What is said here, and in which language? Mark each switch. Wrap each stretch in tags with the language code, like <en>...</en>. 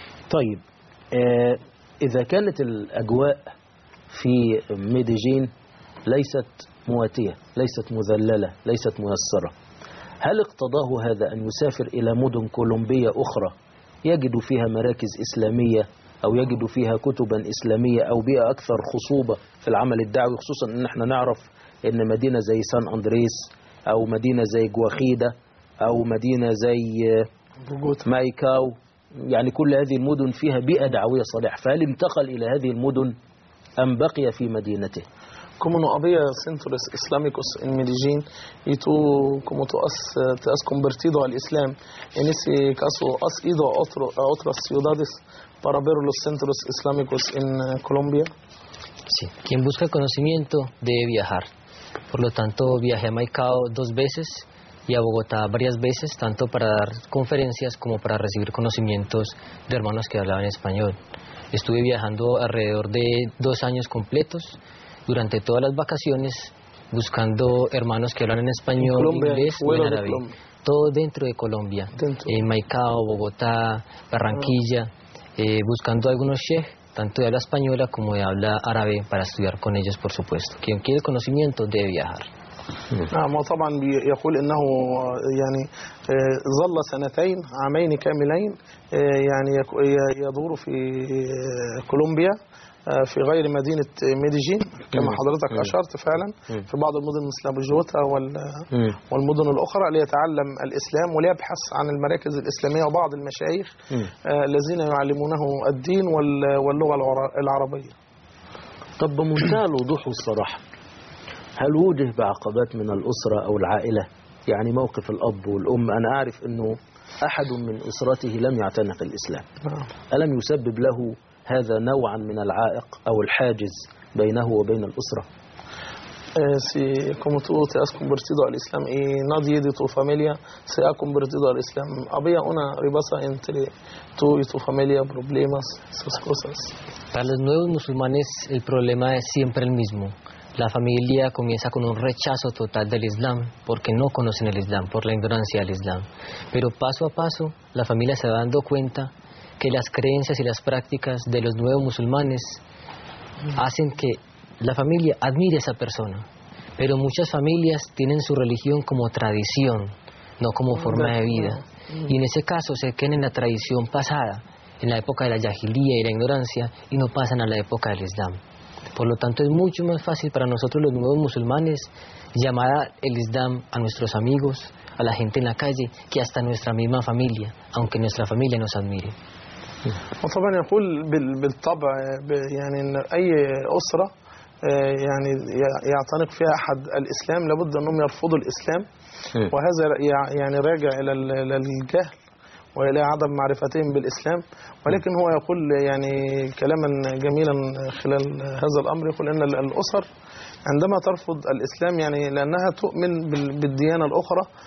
<ar>طيب إذا كانت الأجواء في ميديجين ليست مواتية, ليست مذللة, ليست ميسرة, هل اقتضاه هذا أن يسافر إلى مدن كولومبية أخرى يجد فيها مراكز إسلامية أو يجد فيها كتبا إسلامية أو بيئة أكثر خصوبة في العمل الدعوي, خصوصا أن احنا نعرف أن مدينة زي سان أندريس أو مدينة زي جواخيدة أو مدينة زي مايكاو, يعني كل هذه المدن فيها بيئة دعوية صالحة, فهل انتقل إلى هذه المدن أم بقي في مدينته؟</ar> <es>Como no había centros islámicos en Medellín y tú como tú te has convertido al Islam, en ese caso has ido a otras ciudades para ver los centros islámicos en Colombia. Sí, quien busca conocimiento debe viajar, por lo tanto viajé a Maicao 2 veces y a Bogotá varias veces, tanto para dar conferencias como para recibir conocimientos de hermanos que hablaban español. Estuve viajando alrededor de 2 años completos durante todas las vacaciones, buscando hermanos que hablan en español, Colombia, inglés o en árabe. Todo dentro de Colombia. En Maicao, Bogotá, Barranquilla. Buscando algunos sheikh, tanto de habla española como de habla árabe, para estudiar con ellos, por supuesto. Quien quiere conocimiento debe viajar.</es> <ar>نعم وطبعا يقول انه يعني ظل سنتين, عامين كاملين يعني يدور في كولومبيا في غير مدينة ميديجين كما حضرتك أشرت فعلا, في بعض المدن مثل بوجوتا والمدن الأخرى, ليتعلم الإسلام وليبحث عن المراكز الإسلامية وبعض المشايخ الذين يعلمونه الدين واللغة العربية. طب بمنتهى الوضوح والصراحة, هل وجه بعقبات من الأسرة أو العائلة؟ يعني موقف الأب والأم, أنا أعرف أنه أحد من أسرته لم يعتنق الإسلام, ألم يسبب له هذا نوعا من العائق أو الحاجز بينه وبين الأسرة؟</ar> <es>Si como tú te has convertido al Islam y nadie de tu familia se ha convertido al Islam, ¿había una ribasa entre tú y tu familia, problemas, esas cosas? Para los nuevos musulmanes el problema es siempre el mismo. La familia comienza con un rechazo total del Islam porque no conocen el Islam, por la ignorancia del Islam. Pero paso a paso la familia se va dando cuenta que las creencias y las prácticas de los nuevos musulmanes hacen que la familia admire a esa persona. Pero muchas familias tienen su religión como tradición, no como forma de vida. Y en ese caso se quedan en la tradición pasada, en la época de la yahilía y la ignorancia, y no pasan a la época del Islam. Por lo tanto, es mucho más fácil para nosotros los nuevos musulmanes llamar el Islam a nuestros amigos, a la gente en la calle, que hasta nuestra misma familia, aunque nuestra familia nos admire.</es> <ar>وطبعا يقول بالطبع يعني ان اي اسرة يعني يعتنق فيها احد الاسلام لابد انهم يرفضوا الاسلام وهذا يعني راجع الى الجهل والى عدم معرفتهم بالاسلام ولكن هو يقول يعني كلاما جميلا خلال هذا الامر يقول ان الاسر عندما ترفض الاسلام يعني لانها تؤمن بالديانة الاخرى</ar>